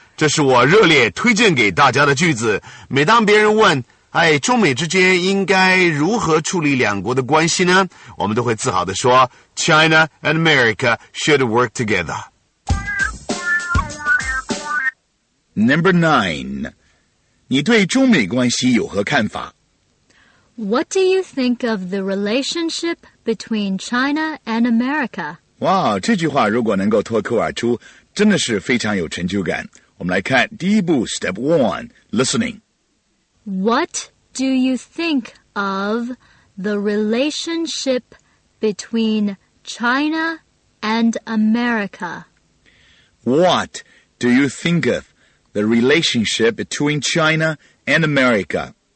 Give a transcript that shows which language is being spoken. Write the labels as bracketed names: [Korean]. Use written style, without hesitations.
[Chinese] 这是我热烈推荐给大家的句子。每当别人问，哎，中美之间应该如何处理两国的关系呢？我们都会自豪地说 [English] China and America should work together. Number 9. [Chinese] 你对中美关系有何看法? [English] What do you think of the relationship between China and America? [Chinese] 哇,这句话如果能够脱口而出,真的是非常有成就感。我们来看第一步 , [English] Step 1, Listening. What do you think of the relationship between China and America? What do you think of? The relationship between China and America.